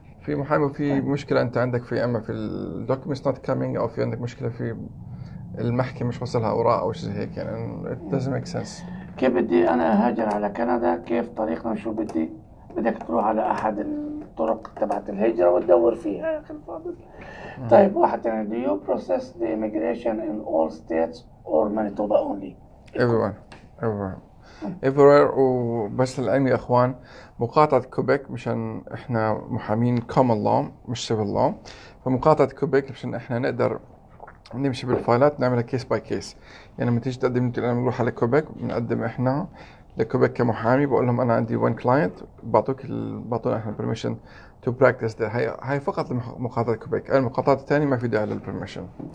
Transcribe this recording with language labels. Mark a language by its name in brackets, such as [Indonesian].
[Arabic] في محامي وفي مشكلة انت عندك في اما في الدوكيومنتس نوت كامينج او في عندك مشكلة في المحكمة مش وصلها اوراق او شيء زي هيك يعني [English] it doesn't make sense. [Arabic] كيف بدي انا اهاجر على كندا كيف طريقنا شو بدي بدك تروح على احد الطرق تبعت الهجرة وتدور فيها يا اخي الفاضل. طيب واحد تاني [English] do you process the immigration in all states or Manitoba only everywhere [Arabic] وبس العلم يا اخوان مقاطعة كوبيك مشان احنا محامين common law مش civil law فمقاطعة كوبيك مشان احنا نقدر نمشي بالفايلات نعملها كيس باي كيس يعني ما تيجي تقدم انت لما نروح على كوبيك بنقدم احنا لكوبيك كمحامي بقول لهم انا عندي [English] one client [Arabic] بعطوك بعطونا احنا [English] البرميشن to practise the [Arabic] هاي فقط لمقاطعه كوبيك المقاطعه الثانيه ما في داعي للبرميشن.